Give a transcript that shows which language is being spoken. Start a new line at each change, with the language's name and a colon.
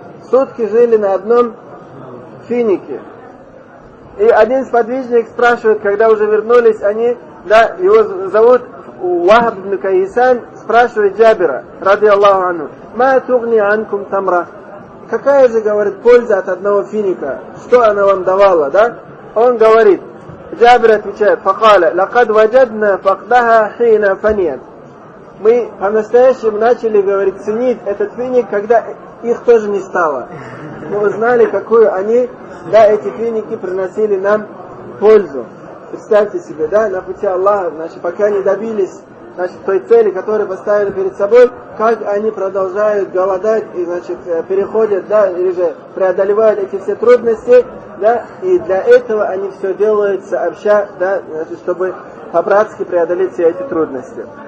Russian: Сутки жили на одном финике. И один сподвижник спрашивает, когда уже вернулись они, да, его зовут Вахб ибн Кайсан, спрашивает Джабира, ради Аллаху ану,
Arabic: «Ма тугни анкум тамра».
Russian: Какая же, говорит, польза от одного финика? Что она вам давала, да? Он говорит, Джабир отвечает,
Arabic: فَقَالَ لَقَدْ وَجَدْنَا فَقْدَهَا حِيْنَا فَنِيَتْ.
Russian: Мы по-настоящему начали, говорит, ценить этот финик, когда их тоже не стало. Мы узнали, какую они, да, эти финики приносили нам пользу. Представьте себе, да, на пути Аллаха, значит, пока не добились, значит, той цели, которую поставили перед собой, как они продолжают голодать и, значит, переходят, да, или же преодолевают эти все трудности, да, и для этого они все делают сообща, да, значит, чтобы по-братски преодолеть все эти трудности.